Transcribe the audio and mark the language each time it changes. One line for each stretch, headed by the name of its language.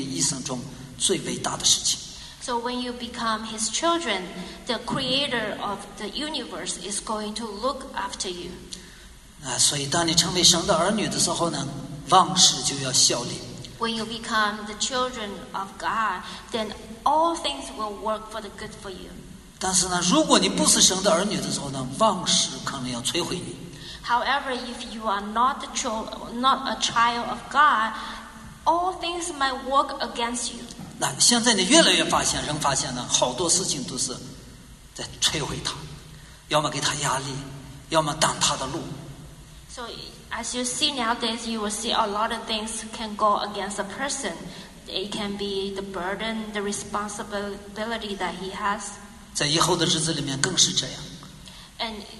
Chinese: 当你成为他的儿女的时候，这个创造宇宙的神在看顾着你，这件事情将成为你一生中最伟大的事情。
English: So when you become his children, the creator of the universe is going to look after you.
Chinese: 所以当你成为神的儿女的时候呢，忘事就要效力。
English: When you become the children of God, then all things will work for the good for you.
Chinese: 但是呢，如果你不是神的儿女的时候呢，忘事可能要摧毁你。
English: However, if you are not a child of God, all things might work against you.
Chinese: 那现在你越来越发现，人发现呢，好多事情都是在摧毁他，要么给他压力，要么挡他的路。
English: So as you see nowadays, you will see a lot of things can go against a person. It can be the burden, the responsibility that he has.
Chinese: 在以后的日子里面更是这样。
English: And